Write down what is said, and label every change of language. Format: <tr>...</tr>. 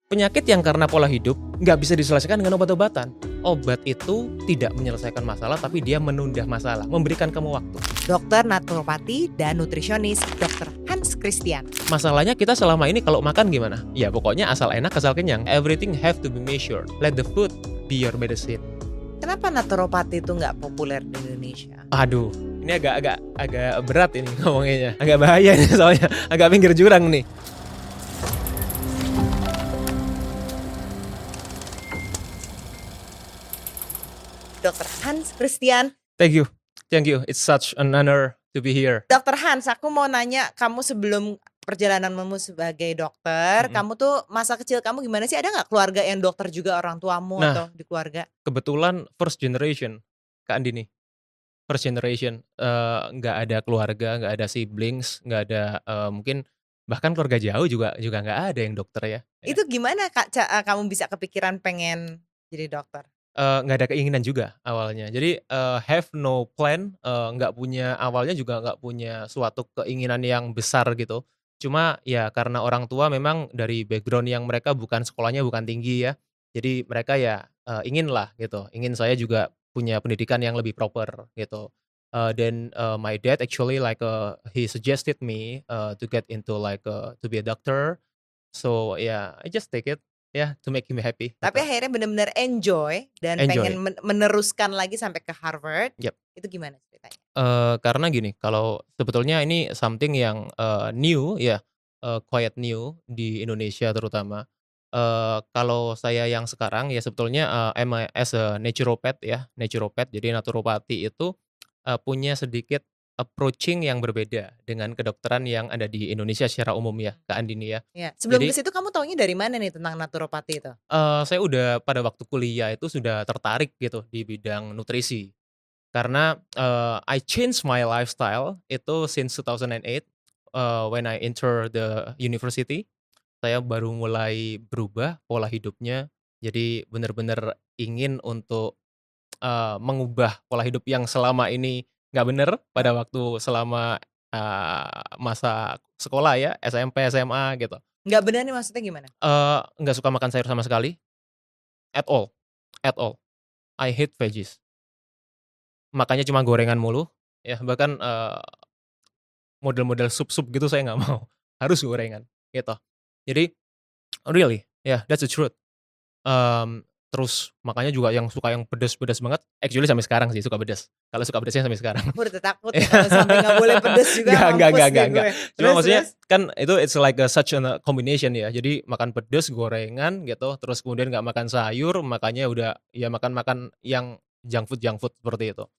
<id>Penyakit yang karena pola hidup nggak bisa diselesaikan dengan obat-obatan. Obat itu tidak menyelesaikan masalah, tapi dia menunda masalah, memberikan kamu waktu. Dokter naturopati dan nutrisionis Dr. Hans Christian. Masalahnya kita selama ini kalau makan gimana? Ya pokoknya asal enak, asal kenyang.</id> <en>Everything have to be measured. Let the food be your medicine.</en> <id>Kenapa naturopati itu nggak populer di Indonesia? Aduh, ini agak berat ini ngomongnya. Agak bahaya ini soalnya, agak pinggir jurang nih. Dr. Hans Christian.</id> <en>Thank you. It's such an honor to be here. Dr.</en> <id>Hans, aku mau nanya, kamu sebelum perjalananmu sebagai dokter, kamu tuh masa kecil kamu gimana sih? Ada gak keluarga yang dokter juga, orang tuamu atau di keluarga? Kebetulan first generation, Kak Andini. First generation, gak ada keluarga, gak ada siblings, gak ada mungkin bahkan keluarga jauh juga gak ada yang dokter ya. Itu gimana Kak, kamu bisa kepikiran pengen jadi dokter? Nggak ada keinginan juga awalnya, jadi</id> <en>have no plan,</en> <id>nggak punya, awalnya juga nggak punya suatu keinginan yang besar gitu. Cuma ya karena orang tua memang dari background yang mereka bukan sekolahnya bukan tinggi ya, jadi mereka ya inginlah gitu, ingin saya juga punya pendidikan yang lebih proper gitu.</id> <en>Then my dad actually he suggested me to get into to be a doctor, so yeah, I just take it. Yeah, to make him happy.</en> <id>Tapi gitu. Akhirnya benar-benar enjoy. Pengen meneruskan lagi sampai ke Harvard.</id> <en>Yep.</en> <id>Itu gimana ceritanya? Karena gini, kalau sebetulnya ini something yang new ya, quite new di Indonesia terutama. Kalau saya yang sekarang ya sebetulnya</id> <en>as a naturopath</en> <id>ya, naturopath, jadi naturopati itu punya sedikit approaching yang berbeda dengan kedokteran yang ada di Indonesia secara umum ya, Kak Andini ya. Iya. Sebelum ke situ kamu taunya dari mana nih tentang naturopati itu? Saya udah pada waktu kuliah itu sudah tertarik gitu di bidang nutrisi.</id> <en>Karena I changed my lifestyle itu since 2008 when I enter the university.</en> <id>Saya baru mulai berubah pola hidupnya. Jadi benar-benar ingin untuk mengubah pola hidup yang selama ini gak bener pada waktu selama masa sekolah ya, SMP, SMA gitu. Gak bener nih maksudnya gimana? Gak suka makan sayur sama sekali.</id> <en>At all. I hate veggies.</en> <id>Makannya cuma gorengan mulu. Ya, bahkan model-model sup-sup gitu saya gak mau. Harus gorengan gitu.</id> <en>Jadi, really, yeah, that's the truth.</en> <id>Terus makanya juga yang suka yang pedes-pedes banget. Actually sampai sekarang sih suka pedes. Kalau suka pedesnya sampai sekarang. Aku udah takut sampai enggak boleh pedes juga. Enggak. Cuma maksudnya kan itu</id> <en>it's like such a combination</en> <id>ya. Jadi makan pedes, gorengan gitu, terus kemudian enggak makan sayur, makanya udah ya makan-makan yang junk food seperti itu.</id>